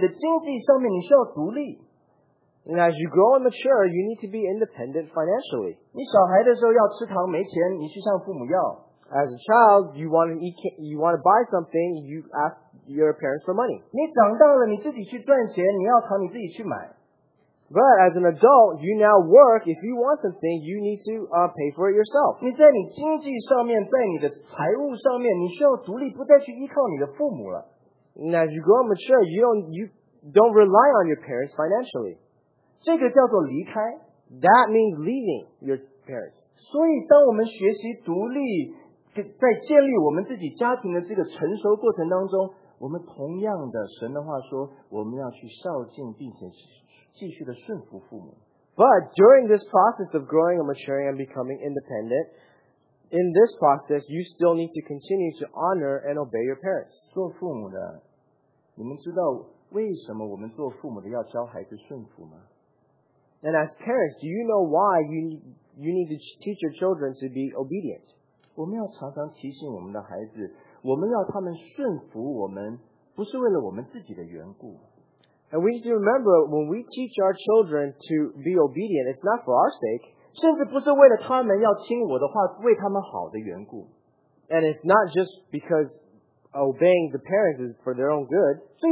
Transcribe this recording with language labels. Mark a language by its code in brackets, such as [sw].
[zh] 当你成长成熟之后,你在你的经济上面你需要独立。 [en] And as you grow and mature, you need to be independent financially. [zh] 你小孩的时候要吃糖,没钱,你去向父母要。 [en] As a child, you want to buy something, you ask your parents for money. [zh] 你长大了,你自己去赚钱,你要糖,你自己去买。 [en] But as an adult, you now work. If you want something, you need to pay for it yourself. [zh] 你在你经济上面,在你的财务上面,你需要独立,不再去依靠你的父母了。 [en] And as you grow and mature, you don't rely on your parents financially. [zh] 这个叫做离开, [en] that means leaving your parents. [zh] 所以当我们学习独立,在建立我们自己家庭的这个成熟过程当中,我们同样的神的话说,我们要去孝敬并且继续的顺服父母。 [en] But during this process of growing and maturing and becoming independent, in this process, you still need to continue to honor and obey your parents. [zh] 做父母的, 你们知道为什么我们做父母的要教孩子顺服吗? [en] And as parents, do you know why you need to teach your children to be obedient? [zh] 我们要常常提醒我们的孩子, 我们要他们顺服我们, 不是为了我们自己的缘故。 [en] And we need to remember, when we teach our children to be obedient, it's not for our sake. [zh] 甚至不是为了他们要听我的话，为他们好的缘故。 [en] And it's not just because obeying the parents is for their own good.